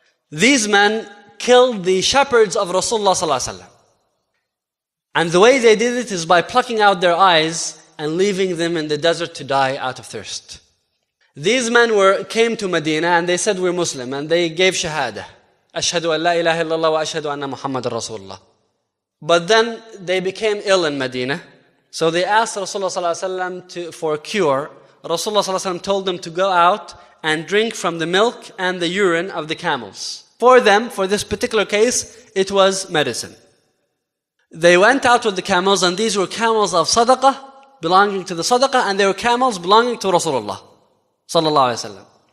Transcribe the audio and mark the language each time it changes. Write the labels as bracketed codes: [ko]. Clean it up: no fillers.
[en] These men killed the shepherds of Rasulullah ﷺ. And the way they did it is by plucking out their eyes and leaving them in the desert to die out of thirst. These men came to Medina and they said, "We're Muslim," and they gave shahada. [ar] أشهد أن لا إله إلا الله وأشهد أن محمد رسول الله. [en] But then they became ill in Medina. So they asked Rasulullah صلى الله عليه وسلم for a cure. Rasulullah صلى الله عليه وسلم told them to go out and drink from the milk and the urine of the camels. For them, for this particular case, it was medicine. They went out with the camels, and these were camels of sadaqah, belonging to the sadaqah, and they were camels belonging to Rasulullah صلى الله عليه وسلم.